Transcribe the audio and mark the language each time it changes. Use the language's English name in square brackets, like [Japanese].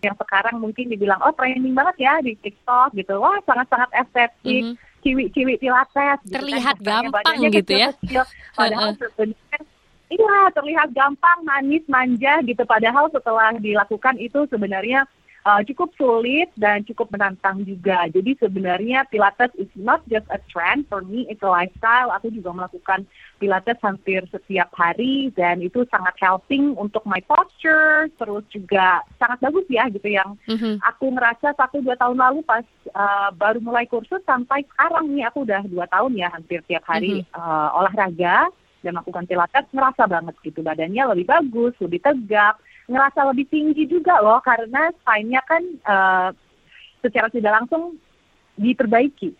[Indonesian] Yang sekarang mungkin dibilang, oh trending banget ya di TikTok gitu. Wah sangat-sangat estetik, ciwi-ciwi Pilates. Terlihat gitu, kan? Gampang badannya gitu ya. Padahal sebenarnya, iya terlihat gampang, manis, manja gitu. Padahal setelah dilakukan itu sebenarnya cukup sulit dan cukup menantang juga. Jadi sebenarnya [English] Pilates is not just a trend, for me it's a lifestyle. [Indonesian] Aku juga melakukan Pilates hampir setiap hari dan itu sangat helping untuk [English] my posture, [Indonesian] terus juga sangat bagus ya gitu yang aku ngerasa 1-2 tahun lalu pas baru mulai kursus sampai sekarang nih aku udah 2 tahun ya hampir tiap hari olahraga dan melakukan Pilates, ngerasa banget gitu badannya lebih bagus, lebih tegap, ngerasa lebih tinggi juga loh karena spine-nya kan secara tidak langsung diperbaiki.